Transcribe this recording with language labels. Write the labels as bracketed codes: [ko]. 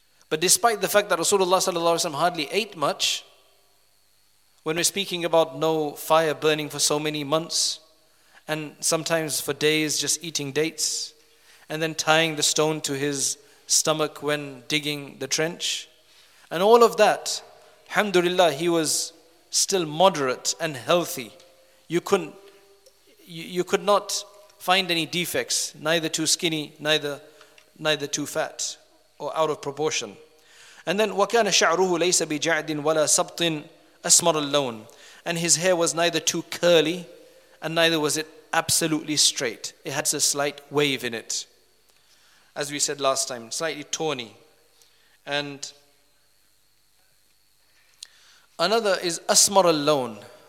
[en] But despite the fact that Rasulullah sallallahu alaihi wasallam hardly ate much, when we're speaking about no fire burning for so many months, and sometimes for days just eating dates, and then tying the stone to his stomach when digging the trench, and all of that, alhamdulillah, he was still moderate and healthy. You could not find any defects, neither too skinny, neither too fat, or out of proportion. And then, [ar] وَكَانَ شَعْرُهُ لَيْسَ بِجَعْدٍ وَلَا سَبْطٍ أَسْمَرَ اللَّونَ. [en] And his hair was neither too curly, and neither was it absolutely straight. It had a slight wave in it. As we said last time, slightly tawny. And another is [ar] أَسْمَرَ اللَّونَ.